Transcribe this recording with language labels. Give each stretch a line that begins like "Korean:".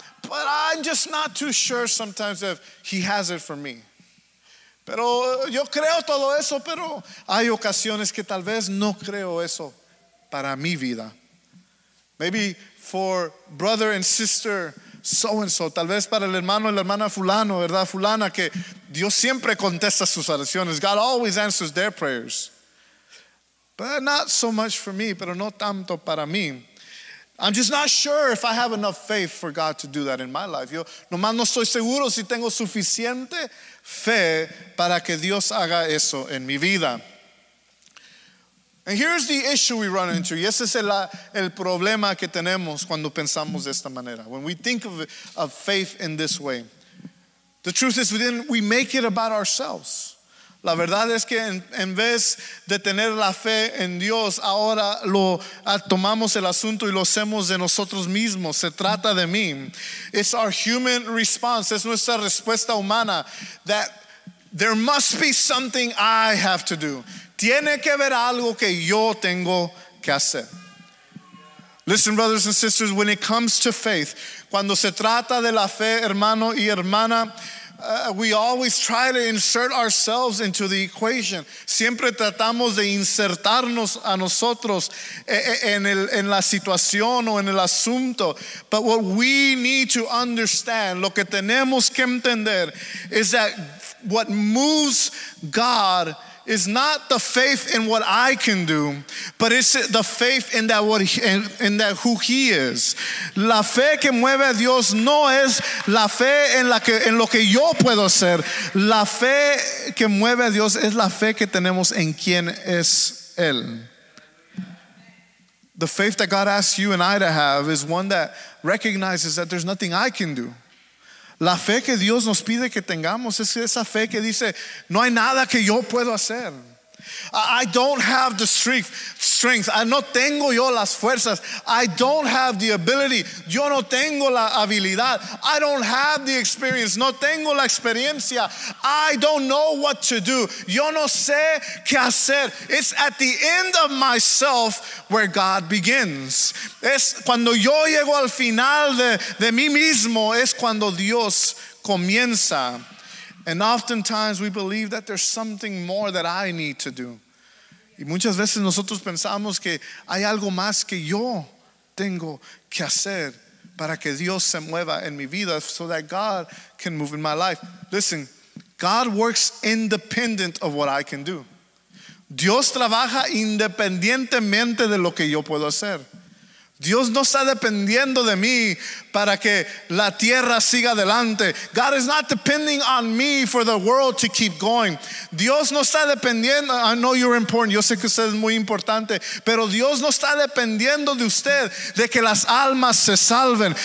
English: But I'm just not too sure sometimes if he has it for me.
Spanish: Pero yo creo todo eso, pero hay ocasiones que tal vez no creo eso para mi vida.
English: Maybe for brother and sister so and so,
Spanish: tal vez para el hermano y la hermana fulano, ¿verdad? Fulana, que Dios siempre contesta sus oraciones.
English: God always answers their prayers. But not so much for me,
Spanish: pero no tanto para mí.
English: I'm just not sure if I have enough faith for God to do that in my life.
Spanish: Yo nomás no estoy seguro si tengo suficiente fe para que Dios haga eso en mi vida.
English: And here's the issue we run into.
Spanish: Y ese es el problema que tenemos cuando pensamos de esta manera.
English: When we think of faith in this way, the truth is we make it about ourselves.
Spanish: La verdad es que en vez de tener la fe en Dios, ahora lo tomamos el asunto y lo hacemos de nosotros mismos. Se trata de mí.
English: It's our human response.
Spanish: Es nuestra respuesta humana.
English: That there must be something I have to do.
Spanish: Tiene que haber algo que yo tengo que hacer.
English: Listen, brothers and sisters, when it comes to faith,
Spanish: cuando se trata de la fe, hermano y hermana,
English: we always try to insert ourselves into the equation.
Spanish: Siempre tratamos de insertarnos a nosotros en la situación o en el asunto.
English: But what we need to understand,
Spanish: lo que tenemos que entender,
English: is that what moves God is not the faith in what I can do, but it's the faith in that what he, in that who he is.
Spanish: La fe que mueve a Dios no es la fe en la que en lo que yo puedo hacer. La fe que mueve a Dios es la fe que tenemos en quien es él.
English: The faith that God asks you and I to have is one that recognizes that there's nothing I can do.
Spanish: La fe que Dios nos pide que tengamos es esa fe que dice, no hay nada que yo puedo hacer.
English: I don't have the strength.
Spanish: No tengo yo las fuerzas.
English: I don't have the ability.
Spanish: Yo no tengo la habilidad.
English: I don't have the experience.
Spanish: No tengo la experiencia.
English: I don't know what to do.
Spanish: Yo no sé qué hacer.
English: It's at the end of myself where God begins.
Spanish: Es cuando yo llego al final de mí mismo, es cuando Dios comienza.
English: And oftentimes we believe that there's something more that I need to do.
Spanish: Y muchas veces nosotros pensamos que hay algo más que yo tengo que hacer para que Dios se mueva en mi vida,
English: so that God can move in my life. Listen, God works independent of what I can do.
Spanish: Dios trabaja independientemente de lo que yo puedo hacer. Dios no está dependiendo de mí para que la tierra siga adelante.
English: God is not depending on me for the world to keep going.
Spanish: Dios no está dependiendo.
English: I know you're important.
Spanish: Yo sé que usted es muy importante. Pero Dios no está dependiendo de usted de que las almas se salven.